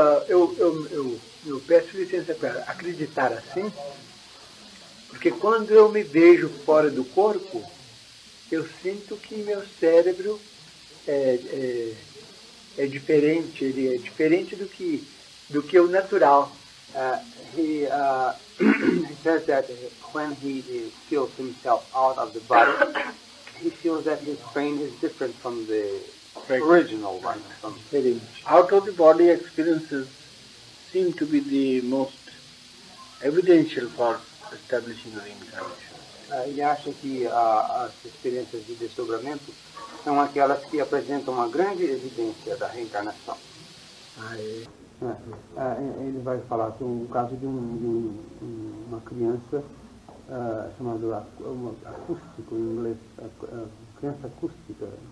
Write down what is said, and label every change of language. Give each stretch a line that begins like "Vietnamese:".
Portuguese: Eu peço licença para acreditar assim, porque quando eu me vejo fora do corpo, eu sinto que meu cérebro é diferente, ele é diferente do que o natural.
English: He says that when he feels himself out of the body, he feels that his brain is different from the original one. Out of the body experiences seem to be the most evidential for establishing reincarnation.
Portuguese: Ele acha que as experiências de desdobramento são aquelas que apresentam uma grande evidência da reencarnação. Ele vai falar sobre o caso de uma criança chamada acústico em inglês, criança acústica.